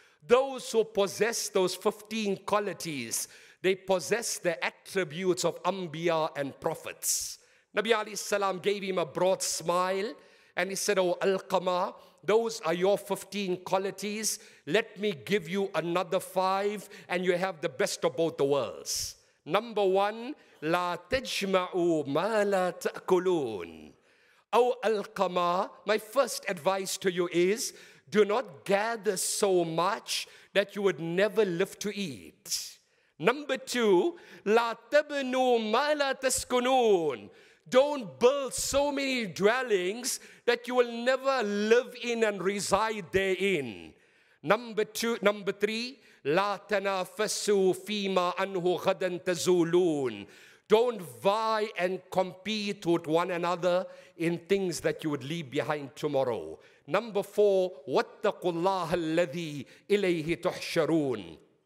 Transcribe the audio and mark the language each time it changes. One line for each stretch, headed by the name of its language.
English: Those who possess those 15 qualities, they possess the attributes of anbiya and prophets. Nabi alayhi salam gave him a broad smile and he said, oh Al-Qamar, those are your 15 qualities. Let me give you another five and you have the best of both the worlds. Number one,
Arabic: لا تجمعوا ما لا تأكلون.
English: Oh Al-Qamar, my first advice to you is, do not gather so much that you would never live to eat. Number two,
Arabic: لا تبنوا ما لا تسكنون.
English: Don't build so many dwellings that you will never live in and reside therein. Number three,
Arabic: لا تنافسوا فيما أنه غدا تزولون.
English: Don't vie and compete with one another in things that you would leave behind tomorrow. Number four,
Arabic: واتقوا الله الذي إليه تحشرون.